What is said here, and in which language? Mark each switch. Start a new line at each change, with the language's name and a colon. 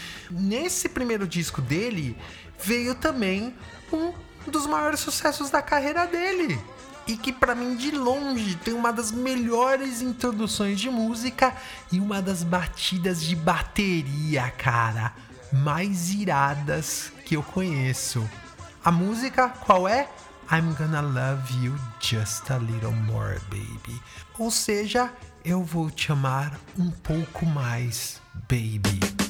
Portuguese: Nesse primeiro disco dele veio também um dos maiores sucessos da carreira dele, e que pra mim de longe tem uma das melhores introduções de música e uma das batidas de bateria, cara, mais iradas que eu conheço. A música qual é?
English: I'm gonna love you just a little more, baby.
Portuguese: Ou seja, eu vou te amar um pouco mais, baby.